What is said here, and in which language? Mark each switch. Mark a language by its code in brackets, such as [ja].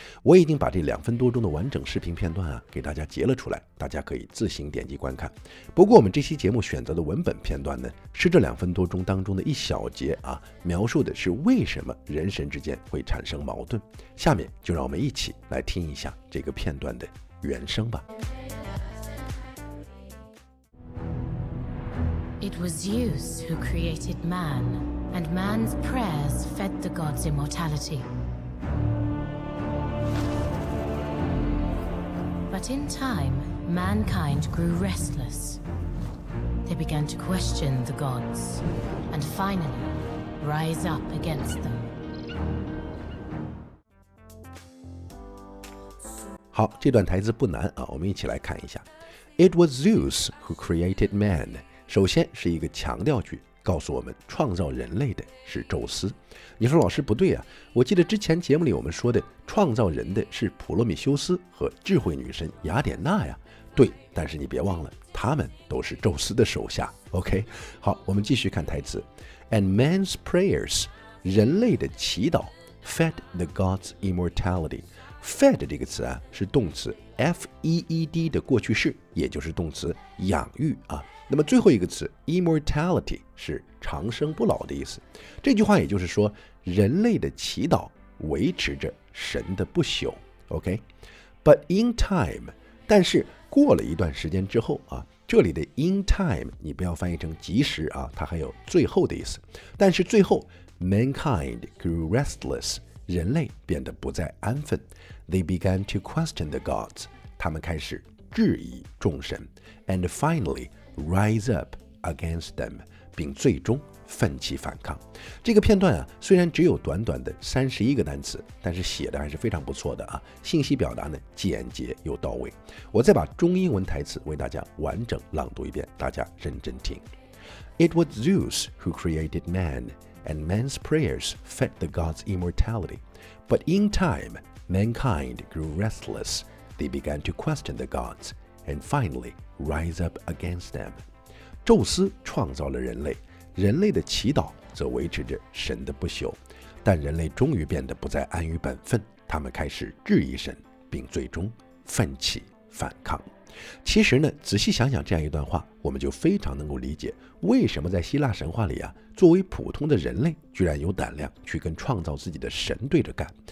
[zh] 我已经把这2分多钟的完整视频片段啊给大家截了出来，大家可以自行点击观看。不过我们这期节目选择的文本片段呢是这2分多钟当中的一小节啊，描述的是为什么人神之间会产生矛盾。下面就让我们一起来听一下这个片段的原声吧。 [en] It was Zeus who created man, and man's prayers fed the gods' immortality. But in time, mankind grew restless. They began to question the gods, and finally, rise up against them. [zh] 好，这段台词不难啊，我们一起来看一下。 [en] It was Zeus who created man. [zh] 首先是一个强调句，告诉我们创造人类的是宙斯。你说老师不对啊，我记得之前节目里我们说的创造人的是普罗米修斯和智慧女神雅典娜呀。对，但是你别忘了他们都是宙斯的手下。 OK， 好，我们继续看台词。 [en] And man's prayers， [zh] 人类的祈祷 [en] fed the gods immortality。 [zh] fed 这个词啊是动词F-E-E-D 的过去式，也就是动词养育啊。那么最后一个词 immortality 是长生不老的意思，这句话也就是说人类的祈祷维持着神的不朽。 [en] OK， But in time， [zh] 但是过了一段时间之后啊，这里的 in time 你不要翻译成及时啊，它还有最后的意思。但是最后 [en] mankind grew restless， [zh] 人类变得不再安分。 [en] They began to question the gods， [zh] 他们开始质疑众神。 [en] And finally rise up against them， [zh] 并最终奋起反抗。这个片段啊虽然只有短短的31个单词，但是写的还是非常不错的啊，信息表达呢简洁又到位。我再把中英文台词为大家完整朗读一遍，大家认真听。 [en] It was Zeus who created manAnd man's prayers fed the gods' immortality. But in time, mankind grew restless. They began to question the gods, and finally rise up against them. [zh] 宙斯创造了人类，人类的祈祷则维持着神的不朽。但人类终于变得不再安于本分，他们开始质疑神，并最终奋起反抗。其实呢，仔细想想这样一段话，我们就非常能够理解为什么在希腊神话里啊，作为普通的人类居然有胆量去跟创造自己的神对着干。